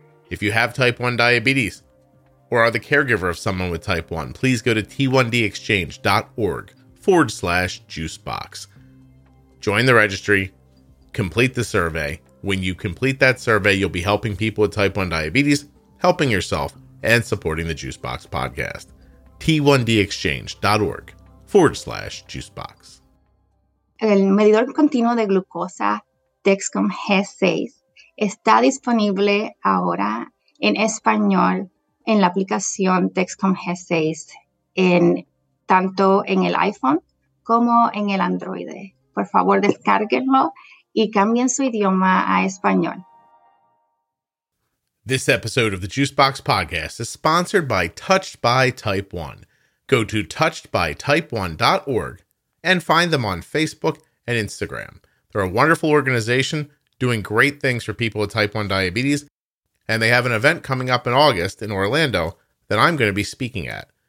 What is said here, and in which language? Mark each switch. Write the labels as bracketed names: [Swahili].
[English] If you have type 1 diabetes or are the caregiver of someone with type 1, please go to t1dexchange.org/juicebox. Join the registry, complete the survey. When you complete that survey, you'll be helping people with type 1 diabetes, helping yourself, and supporting the Juice Box Podcast. t1dexchange.org/juicebox. [Spanish] El medidor continuo de glucosa Dexcom G6 está disponible ahora en español en la aplicación Dexcom G6 en tanto en el iPhone como en el Android. Por favor, descárguenlo y cambien su idioma a español. [English] This episode of the Juice Box Podcast is sponsored by Touched by Type 1. Go to touchedbytype1.org and find them on Facebook and Instagram. They're a wonderful organization doing great things for people with type 1 diabetes, and they have an event coming up in August in Orlando that I'm going to be speaking at.